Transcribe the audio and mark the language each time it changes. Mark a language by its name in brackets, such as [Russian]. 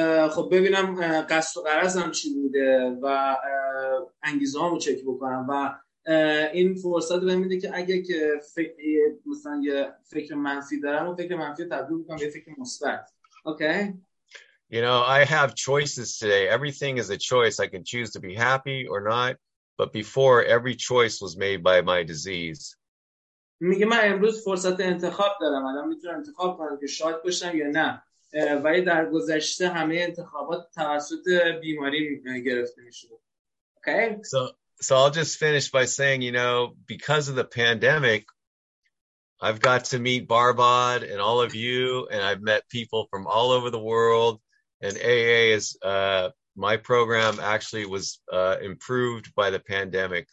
[Persian] خب ببینم قصد و غرضم چی بوده و انگیزه‌هامو چک بکنم و این فرصت بهم میده که اگه که مثلا یه فکر منفی دارم اون فکر منفی رو تبدیل بکنم به فکر مثبت. اوکی. [English] You know, I have choices today. Everything is a choice. I can choose to be happy or not, but before every choice was made by my disease. [Persian] میگه من امروز فرصت انتخاب دارم، الان میتونم انتخاب کنم که شاد باشم یا نه، ولی در گذشته همه انتخابات توسط بیماری گرفته می‌شد. اوکی. [English] Okay. So I'll just finish by saying, you know, because of the pandemic, I've got to meet Barbod and all of you, and I've met people from all over the world. And AA is my program actually was improved by the pandemic.